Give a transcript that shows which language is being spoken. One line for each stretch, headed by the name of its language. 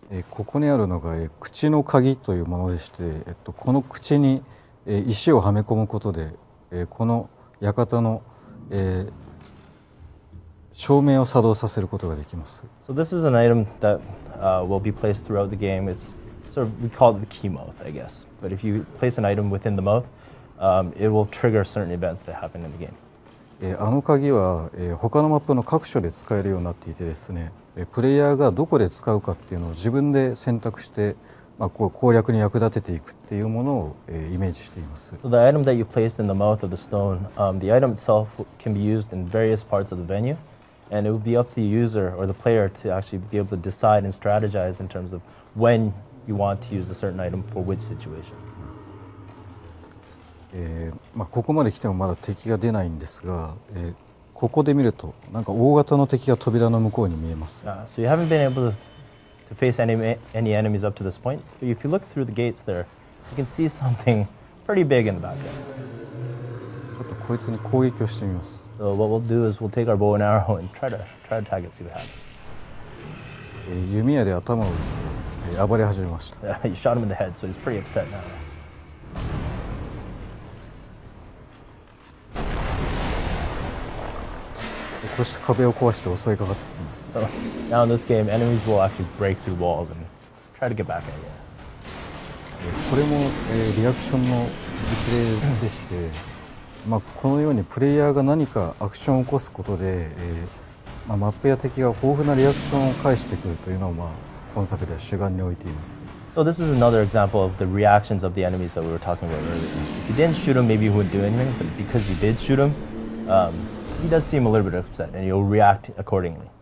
Japanese: ここにあるのが口の鍵というものでして、この口に石をはめ込むことで、この館の照明を作動させることができます。
English: So this is an item that will be placed throughout the game. It's sort of, we call it the key mouth, I guess. But if you place an item within the mouth, it will trigger certain events that happen in the game.
Japanese: あの鍵は他のマップの各所で使えるようになっていてですね、プレイヤーがどこで使うかっていうのを自分で選択して、まあ、攻略に役立てていくっていうものをイメージしています。
English: So the item that you placed in the mouth of the stone, the item itself can be used in various parts of the venue, and it would be up to the user or the player to actually be able to decide and strategize in terms of when you want to use a certain item for which situation.
Japanese: ここまで来てもまだ敵が出ないんですが、ここで見るとなんか大型の敵が扉の向こうに見えます。
English: So you haven't been able to face any enemies up to this point, but if you look through the gates there, you can see something pretty big in the back there.
Japanese: ちょっとこいつに攻撃をしてみます。
English: So what we'll do is we'll take our bow and arrow and try to target, see what happens.
Japanese: 弓矢で頭を打つと暴れ始めました。
English: You shot him in the head, so he's pretty upset now.
Japanese: そして壁を壊して襲いかかってきます。
English: So, now in this game, enemies will actually break through walls and try to get back at you.
Japanese: これも、リアクションの一例でして、まあ、このようにプレイヤーが何かアクションを起こすことで、まあ、マップや敵が豊富なリアクションを返してくるというのを、まあ、今作では主眼に置いています。
English: So this is another example of the reactions of the enemies that we were talking about earlier. If you didn't shoot him, maybe he wouldn't do anything, but because you did shoot him, He does seem a little bit upset, and you'll react accordingly.